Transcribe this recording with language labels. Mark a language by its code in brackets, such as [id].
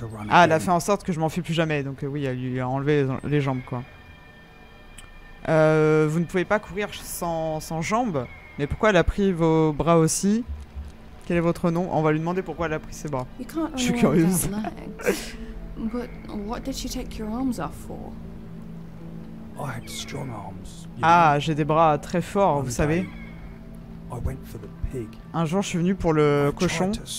[fr] Ah, elle a fait en sorte que je m'enfuis plus jamais. Donc oui, elle lui a enlevé les jambes, quoi. Vous ne pouvez pas courir sans jambes. Mais pourquoi elle a pris vos bras aussi? Quel est votre nom? On va lui demander pourquoi elle a pris ses bras. Je suis curieuse. [en] But what did she take your arms off for? I had strong arms. [fr] Ah, j'ai des bras très forts, vous savez. [en] I went for the pig. [fr] Un jour, je suis venu pour le cochon.